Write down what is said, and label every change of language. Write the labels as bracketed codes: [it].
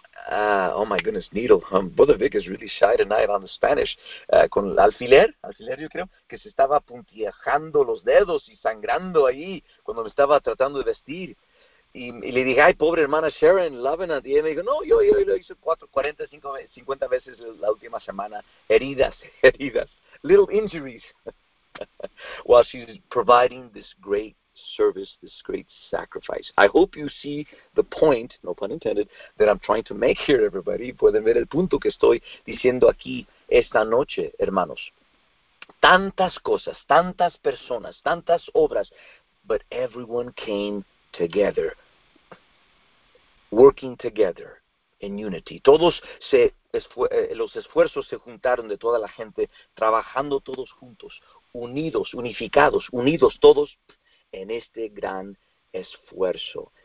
[en] oh my goodness, needle. Brother Vic is really shy tonight on the Spanish. [es] Con el alfiler yo creo, que se estaba puntiajando los dedos y sangrando ahí cuando me estaba tratando de vestir. Y le dije, ay, pobre hermana Sharon, Lavenant. Y ella me dijo, no, yo lo hice 40, 50 veces la última semana. [en] Heridas. Little injuries. While she's providing this great service, this great sacrifice. I hope you see the point, no pun intended, that I'm trying to make here, everybody. [es] Pueden ver el punto que estoy diciendo aquí esta noche, hermanos. Tantas cosas, tantas personas, tantas obras, [en] but everyone came together, working together in unity. [es] Todos los esfuerzos se juntaron de toda la gente, trabajando todos juntos, unidos, unificados, unidos todos, en este gran esfuerzo.